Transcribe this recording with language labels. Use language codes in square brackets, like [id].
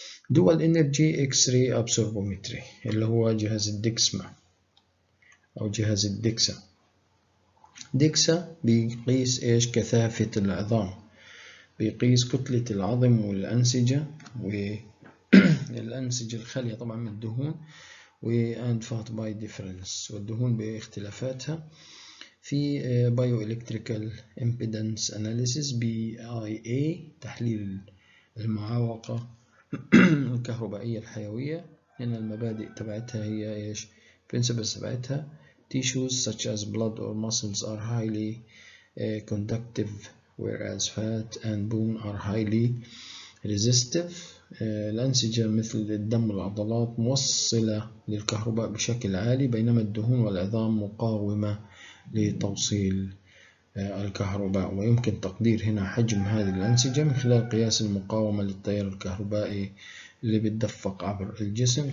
[ar] دول إنرجي إكس راي أبسوربومتري اللي هو جهاز الدكسما أو جهاز الدكسا، دكسا بيقيس إيش؟ كثافة العظام، بيقيس كتلة العظم والأنسجة و الأنسجة الخالية طبعا من الدهون، و [en] and fat by difference، [ar] والدهون باختلافاتها. في bioelectrical impedance analysis BIA، تحليل المعوقة الكهربائية الحيوية. هنا المبادئ تبعتها هي ايش؟ [en] principles تبعتها tissues such as blood or muscles are highly conductive whereas fat and bone are highly resistive. [ar] الأنسجة مثل الدم والعضلات موصلة للكهرباء بشكل عالي، بينما الدهون والعظام مقاومة لتوصيل الكهرباء. ويمكن تقدير هنا حجم هذه الأنسجة من خلال قياس المقاومة للتيار الكهربائي اللي بتدفق عبر الجسم.